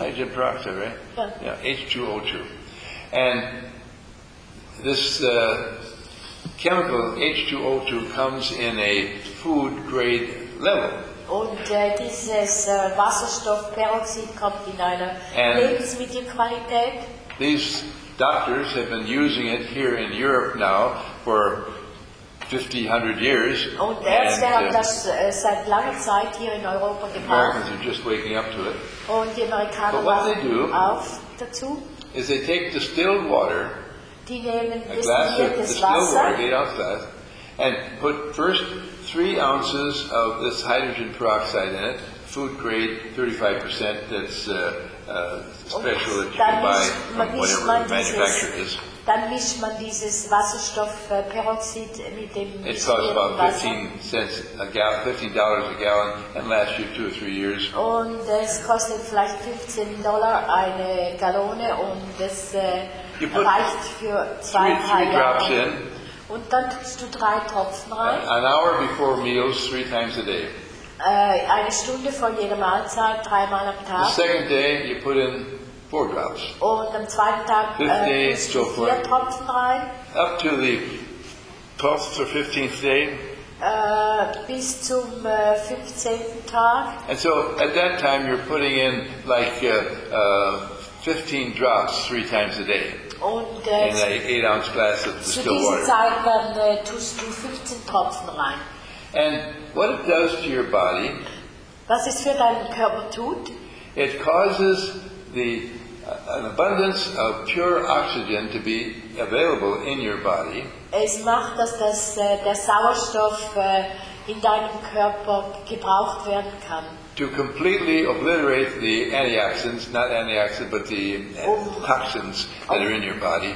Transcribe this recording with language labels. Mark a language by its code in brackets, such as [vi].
[en] Hydrogen peroxide, right? Yeah. H2O2. And this chemical, H2O2, comes in a food grade level. [de] Und dieses Wasserstoffperoxid kommt in einer [en] and [de] Lebensmittelqualität. [en] These doctors have been using it here in Europe now for 50-100 years. [de] Und Ärzte haben das seit langer Zeit hier in Europa gemacht. [en] Americans are just waking up to it. [de] Und die Amerikaner wachen auf dazu. [en] Is they take distilled water, [de] die nehmen [en] a glass of distilled [de] Wasser, [en] water, 8 ounce glass, and put first 3 ounces of this hydrogen peroxide in it, food grade, 35%, that's special that you can buy from whatever the manufacturer is. [de] dann mischt man dieses Wasserstoffperoxid mit dem Wasser. [en] It costs about 15 cents a gallon, $15 a gallon, and lasts you 2 or 3 years. [de] Und es kostet vielleicht $15 eine Gallone und das reicht für [en] three drops in. [de] Und dann tust du drei Tropfen rein. [en] An hour before meals, 3 times a day. [de] Eine Stunde vor jeder Mahlzeit, dreimal am Tag. [en] The second day, you put in 4 drops. [de] Und am zweiten Tag tust du 4 Tropfen rein. [en] Up to the 12th or 15th day. [de] Bis zum 15. Tag. [en] And so, at that time, you're putting in like 15 drops 3 times a day. [de] Und, [en] in an 8-ounce glass of distilled water. [de] Zu dieser Zeit, dann tust du 15 Tropfen rein. [en] And what it does to your body, [de] was es für deinen Körper tut, [en] it causes an abundance of pure oxygen to be available in your body. [de] Es macht, dass der Sauerstoff in deinem Körper gebraucht werden kann. [en] To completely obliterate the antioxidants, not antioxidants, but the toxins that are in your body.